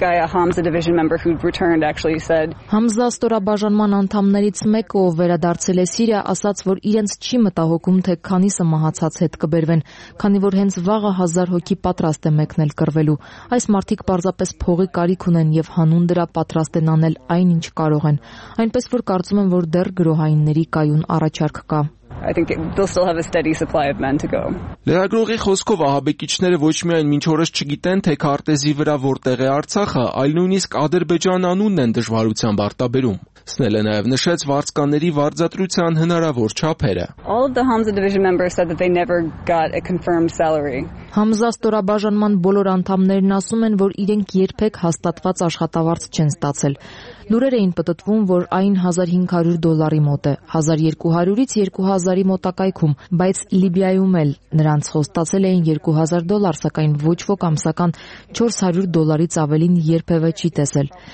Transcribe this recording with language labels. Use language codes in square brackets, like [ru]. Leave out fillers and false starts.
[hy] Համզա ստորաբաժանման անդամներից մեկը, ով վերադարձել է Սիրիա, ասաց, որ իրենց չի մտահոգում, թե քանիսը մահացած հետ կբերվեն, քանի որ հենց վաղը 1000 հոգի պատրաստ է նել կրվելու։ Այս մարդիկ պարզապես փողի կարիք ունեն և հանուն դրա պատրաստ են անել այն, ինչ կարող են։ Այնպես որ կարծում եմ, որ դեռ գրոհայինների կայուն առաջարկ կա։ [en] I think they'll still have a steady supply of men to go. [hy] Լրագրողի խոսքով ահաբեկիչները ոչ միայն մինչ օրս չգիտեն, թե քարտեզի վրա որտեղ է Արցախը, այլ նույնիսկ Ադրբեջան անունն են դժվարությամբ արտաբերում։ Սնելը նաև նշեց վարձկանների վարձատրության հնարավոր չափերը։ [en] All of the Hamza division members said that they never got a confirmed salary. [hy] Համզա ստորաբաժանման բոլոր անդամներն ասում են, որ իրենք երբեք հաստատված աշխատավարձ չեն ստացել։ Լուրեր էին պատտվում, որ այն 1500 դոլարի մոտ է, 1200-ից 2000-ի մոտակայքում, բայց Լիբիայում էլ նրանց խոստացել էին 2000 դոլար, սակայն ոչ ոք ամսական 400 դոլարից ավելին երբևէ չի տեսել։